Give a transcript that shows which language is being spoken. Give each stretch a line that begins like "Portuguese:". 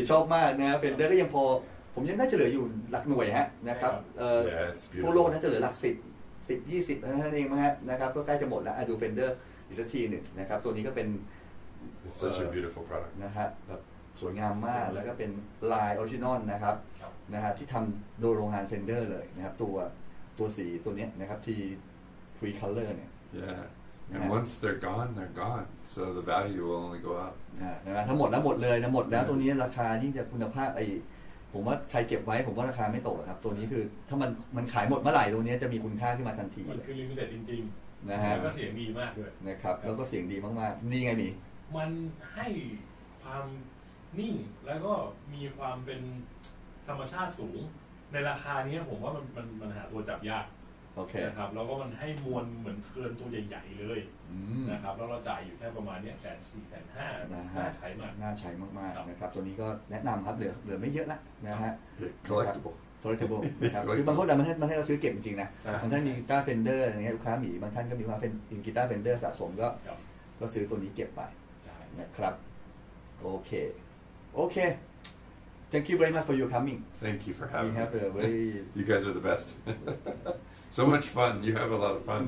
Thai: ก็ชอบมากนะ Fender ก็ยังพอผมยังน่าจะเหลืออยู่หลักหน่วยฮะนะครับทั่วโลกน่าจะเหลือหลัก10-20เท่านั้นเองมั้งฮะนะครับก็ใกล้จะหมดแล้วดู Fender อีกสักทีนึงนะครับตัวนี้ก็เป็น
English: It's such a beautiful product.
Thai: นะฮะแบบสวยงามมากแล้วก็เป็นลายออริจินอลนะครับ นะฮะที่ทำโดยโรงงาน Fender เลยนะครับตัวสีตัวนี้นะครับที่ Free Color เนี่ย
English: Yeah. And once they're gone, so the value will only go up.
Thai: Yeah, ทั้งหมดแล้วหมดเลยนะหมดแล้วตัวนี้ราคานี่จะคุณภาพไอ้ผมว่าใครเก็บไว้ผมว่าราคาไม่ตกหรอกครับตัวนี้คือถ้ามันขายหมดเมื่อไหร่ตัวนี้จะมีคุณค่าขึ้นมาทันที มันคือลิมิเต็ดจริง ๆนะฮะ แล้วก็เสียงดีมากด้วย นะครับแล้วก็เสียงดีมากๆนี่ไงมี มันให้ความนิ่งแล้วก็มีความเป็นธรรมชาติสูงในราคานี้ผมว่ามันหาตัวจับยาก
English: Okay.
Thai: นะครับแล้วก็มันให้มวลเหมือนเคลื่อนตัวใหญ่ๆเลยนะครับแล้วเราจ่ายอยู่แค่ประมาณเนี้ย1,400-1,500 น่าใช้มากๆนะครับตัวนี้ก็แนะนำครับเหลือไม่เยอะละนะฮะ
English: collectible
Thai: โทรเทเบิลนะครับคือบางคนแต่บางท่านเราซื้อเก็บจริงนะบางท่านมีกีตาร์เฟนเดอร์อย่างเงี้ยลูกค้าหมีบางท่านก็มีว่าเป็นกีตาร์เฟนเดอร์สะสมก็ซื้อตัวนี้เก็บไปนะครับโอเค
English: thank you very much for your coming thank you for having we have a very you guys are the best so much fun you have a lot of fun